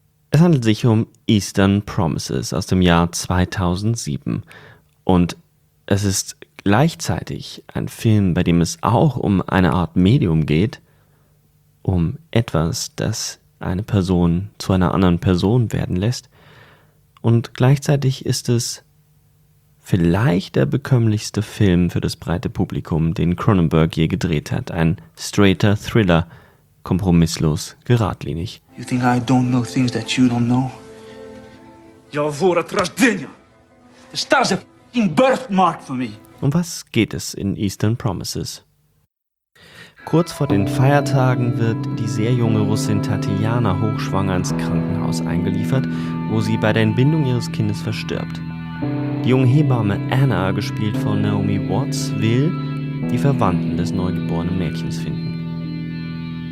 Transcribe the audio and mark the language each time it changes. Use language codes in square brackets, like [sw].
[de] Es handelt sich um Eastern Promises aus dem Jahr 2007 und es ist gleichzeitig ein Film, bei dem es auch um eine Art Medium geht, um etwas, das eine Person zu einer anderen Person werden lässt, und gleichzeitig ist es vielleicht der bekömmlichste Film für das breite Publikum, den Cronenberg je gedreht hat, ein straighter Thriller, kompromisslos, geradlinig. [en] You think I don't know things that you don't know? [ru] Я вор от рождения. [en] The stars are f***ing birthmark for me. [de] Um was geht es in Eastern Promises? Kurz vor den Feiertagen wird die sehr junge Russin Tatjana hochschwanger ins Krankenhaus eingeliefert, wo sie bei der Entbindung ihres Kindes verstirbt. Die junge Hebamme Anna, gespielt von Naomi Watts, will die Verwandten des neugeborenen Mädchens finden.